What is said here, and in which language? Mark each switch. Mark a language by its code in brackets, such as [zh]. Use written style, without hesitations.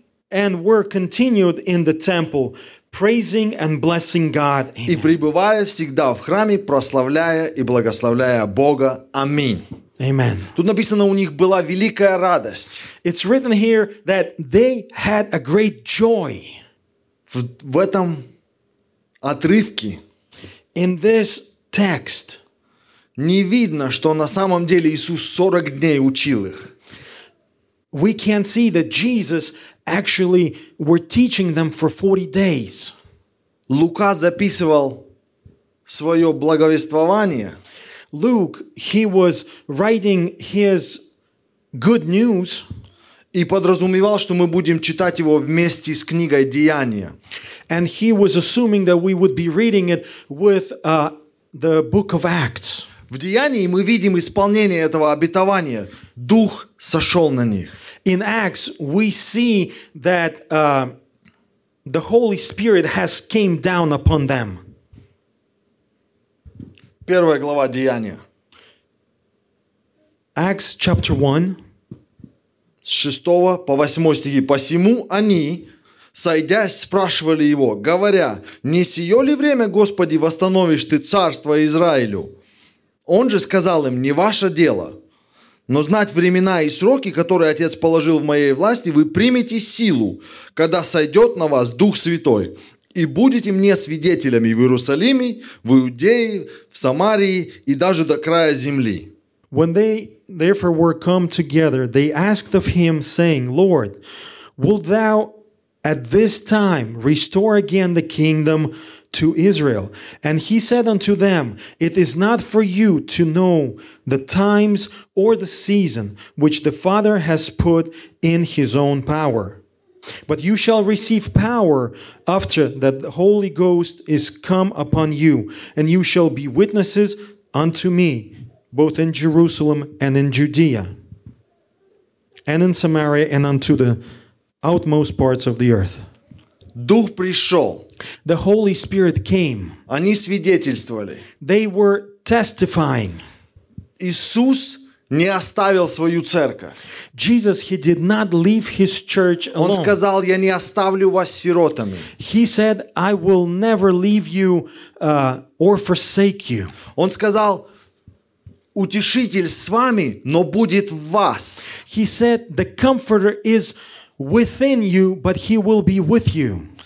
[en] And were continued in the temple, praising and blessing God. [ru] Amen. И пребывая всегда в храме, прославляя и благословляя Бога. Аминь. [en] Amen. [ru] Тут написано, у них была великая радость. [en] It's written here that they had a great joy. [ru] В этом отрывке, [en] in this text, [ru] не видно, что на самом деле Иисус 40 дней учил их. [en] We can't see that Jesus actually were teaching them for 40 days. [ru] Лука записывал своё благовествование. [en] Luke, he was writing his good news. [ru] И подразумевал, что мы будем читать его вместе с книгой Деяния. [en] And he was assuming that we would be reading it with the book of Acts. [ru] В Деянии мы видим исполнение этого обетования. Дух сошёл на них. [en] In Acts, we see that the Holy Spirit has came down upon them. [ru] Первая глава Деяния. [en] Acts chapter 1. [ru] С 6 по 8 стихи. «Посему они, сойдясь, спрашивали его, говоря, не сие ли время, Господи, восстановишь ты царство Израилю? Он же сказал им, не ваше дело». Но знать времена и сроки, которые Отец положил в моей власти, вы примете силу, когда сойдет на вас Дух Святой, и будете мне свидетелями в Иерусалиме, в Иудее, в Самарии и даже до края земли. [en] When they therefore were come together, they asked of him, saying, Lord, wilt thou at this time restore again the kingdom to Israel? And he said unto them, It is not for you to know the times or the season which the Father has put in his own power. But you shall receive power after that the Holy Ghost is come upon you, and you shall be witnesses unto me, both in Jerusalem and in Judea, and in Samaria, and unto the outmost parts of the earth. [ru] Дух пришел. [en] The Holy Spirit came. [ru] Они свидетельствовали. [en] They were testifying. [ru] Иисус не оставил свою церковь. [en] Jesus, he did not leave his church alone. [ru] Он сказал, я не оставлю вас сиротами. [en] He said, I will never leave you or forsake you. [ru] Он сказал, утешитель с вами, но будет в вас. [en] He said, the comforter is within you, but he will be with you.